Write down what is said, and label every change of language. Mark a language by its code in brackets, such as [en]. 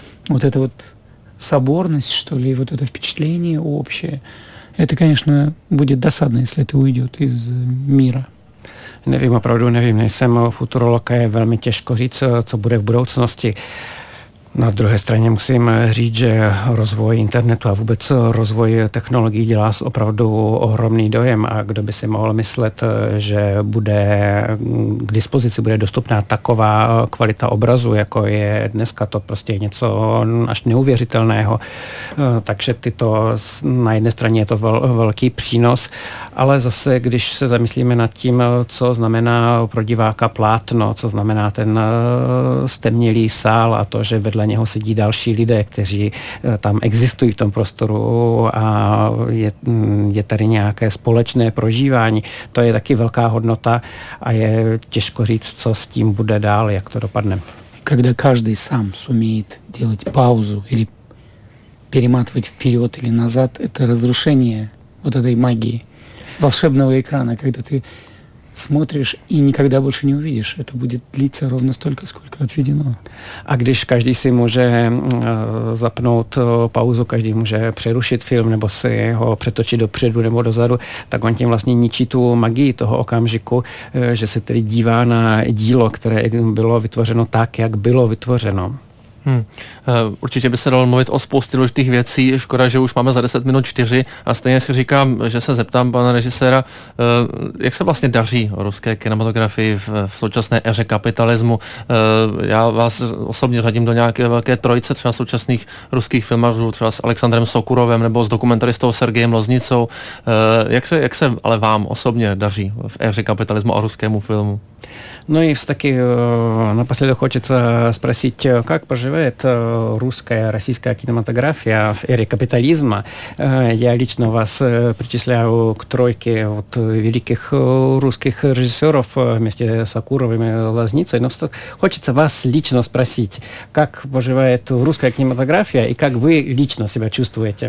[ru] Вот эта вот соборность, что ли, вот это впечатление общее, это, конечно, будет досадно, если это уйдет из мира. [cs] Nevím, opravdu nevím, nejsem futurolog, je velmi těžko říct, co bude v budoucnosti. Na druhé straně musím říct, že rozvoj internetu a vůbec rozvoj technologií dělá opravdu ohromný dojem a kdo by si mohl myslet, že bude k dispozici, bude dostupná taková kvalita obrazu, jako je dneska, to prostě je něco až neuvěřitelného. Takže tyto, na jedné straně je to velký přínos, ale zase, když se zamyslíme nad tím, co znamená pro diváka plátno, co znamená ten stemnělý sál a to, že vedle něho sedí další lidé, kteří tam existují v tom prostoru a je tady nějaké společné prožívání. To je taky velká hodnota a je těžko říct, co s tím bude dál, jak to dopadne. [ru] Когда каждый сам сумеет делать паузу или перематывать вперед или назад, это разрушение вот этой магии волшебного экрана, когда ты смотришь и никогда больше не увидишь. Это будет длиться ровно столько, сколько отведено. [cs] А když [ru] каждый [cs] si může zapnout паузу, каждый může přerušit film nebo si ho přetočit dopředu nebo dozadu, tak on tím vlastně ničí tu magii toho okamžiku, že se tedy dívá na dílo, které bylo vytvořeno tak, jak bylo vytvořeno. Určitě by se dalo mluvit o spoustě důležitých věcí, škoda, že už máme za 10 minut 4 a stejně si říkám, že se zeptám pana režiséra, jak se vlastně daří ruské kinematografii v současné éře kapitalismu. Já vás osobně řadím do nějaké velké trojice třeba současných ruských filmařů, třeba s Alexandrem Sokurovem nebo s dokumentaristou Sergejem Loznicou. Jak se ale vám osobně daří v éře kapitalismu a ruskému filmu? [ru] Ну и все-таки напоследок хочется спросить, как поживает русская, российская кинематография в эре капитализма? Я лично вас причисляю к тройке вот великих русских режиссеров вместе с Акуровым и Лозницей, но хочется вас лично спросить, как поживает русская кинематография и как вы лично себя чувствуете?